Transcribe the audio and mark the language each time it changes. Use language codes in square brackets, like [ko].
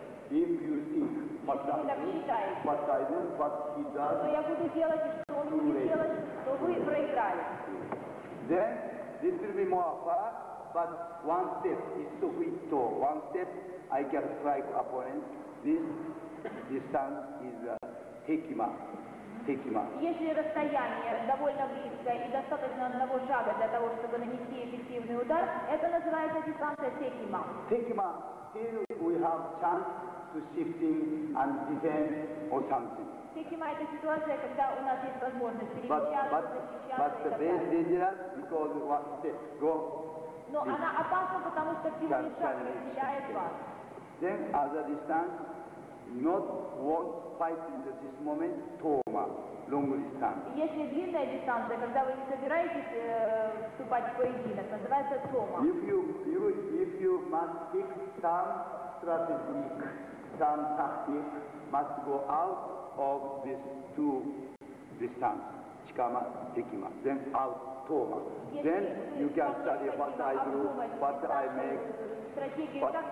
[en] if you think what he does, [ru] то вы проиграли. [en] Then This will be more far, but one step is so quick to one step, I can strike opponent. This distance is hekima. [ru] Если расстояние довольно близкое и достаточно одного шага для того, чтобы нанести эффективный удар, это называется дистанция хекима. Хекима. [en] Still we have chance to shifting and defend or something. [ru] Хекима – это ситуация, когда у нас есть возможность перемещаться, защищаться. [en] But the best danger because one step go. [ru] Но она опасна, потому что всего лишь шаг перемещает вас. [en] Then other distance. Not want fight in this moment, Toma, long distance. [ru] Если длинная дистанция, когда вы не собираетесь вступать в поединок, называется Тома. [en] If you must pick some strategy, some tactic, must go out of these two distance, Chikama, Hekima, then out Toma. Then you can study what I do, what I make.